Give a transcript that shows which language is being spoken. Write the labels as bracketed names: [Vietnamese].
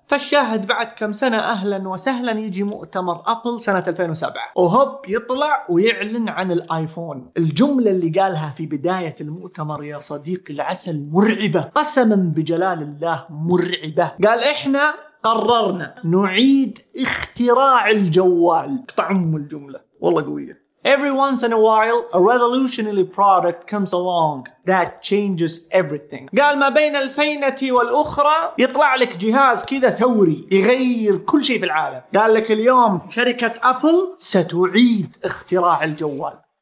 [Arabic] فالشاهد بعد كم سنة اهلا وسهلا يجي مؤتمر ابل سنة 2007 وهوب يطلع ويعلن عن الايفون. الجملة اللي قالها في بداية المؤتمر يا صديقي العسل مرعبة، قسما بجلال الله مرعبة. قال احنا قررنا نعيد اختراع الجوال. طعم الجملة والله قوية. [English] Every once in a while, a revolutionary product comes along that changes everything. [Arabic] قال ما بين الفينة والأخرى يطلع لك جهاز كذا ثوري يغير كل شيء في العالم. قال لك اليوم شركة أبل ستعيد اختراع الجوال.